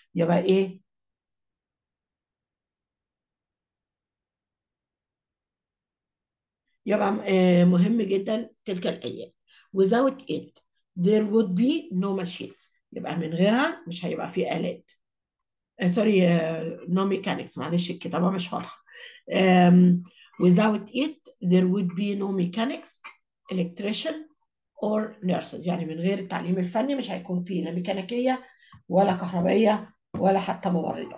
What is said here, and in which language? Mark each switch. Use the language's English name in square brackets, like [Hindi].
[Arabic] يبقى ايه؟ يبقى مهم جدا تلك الايام. [English] Without it, there would be no machines. [Arabic] يبقى من غيرها مش هيبقى في آلات. [English] sorry no mechanics, [Arabic] معلش الكتابة مش واضحة. [English] Without it there would be no mechanics, electrician or nurses. [Arabic] يعني من غير التعليم الفني مش هيكون فيه لا ميكانيكية ولا كهربائية ولا حتى ممرضة.